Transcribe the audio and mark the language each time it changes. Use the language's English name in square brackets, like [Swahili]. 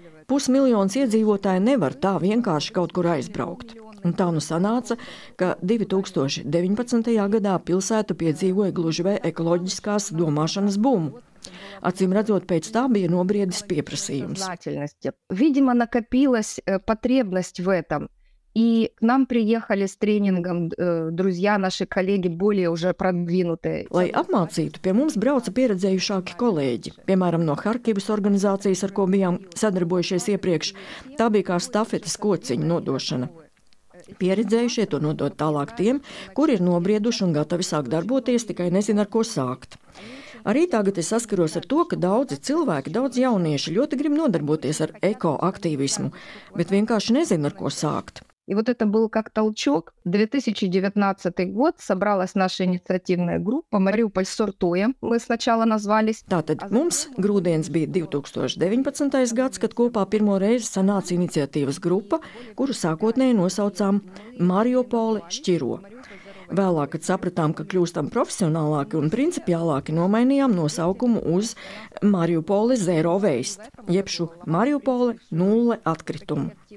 [Latvian] Pusmiljons iedzīvotāji nevar tā vienkārši kaut kur aizbraukt. Un tā nu sanāca, ka 2019. Gadā pilsēta piedzīvoja gluži vai ekoloģiskās domāšanas bumu. Acīm redzot, pēc tā bija nobriedis pieprasījums. Vidīma nakapīlas patriebnesti vētam. [Russian] И к нам приехали с тренингом друзья, наши коллеги более уже продвинутые. [Latvian] Lai apmācītu, pie mums brauca pieredzējušāki kolēģi, piemēram, no Harkivas organizācijas, ar ko bijām sadarbojušies iepriekš. Tā bija kā stafetes kociņa nodošana. Pieredzējušie to nodot tālāk tiem, kuri ir nobrieduši un gatavi sākt darboties, tikai nezin, ar ko sākt. Arī tagad es saskaros ar to, ka daudzi cilvēki, daudz jaunieši ļoti grib nodarboties ar ekoaktīvismu, bet vienkārši nezin, ar ko sākt. [Russian] И вот это был как толчок. 2019 год собралась наша инициативная группа Мариуполь сортуем. Мы сначала назвались. [Latvian] Tātad mums grūdienis bija 2019. Gads, kad kopā pirmo reizi sanāca iniciatīvas grupa, kuru sākotnēji nosaucām Mariupole šķiro. Vēlāk, kad sapratām, ka kļūstam profesionālāki un principiālāki, nomainījām nosaukumu uz Mariupole Zero Waste, jebšu Mariupole nulle atkritumu.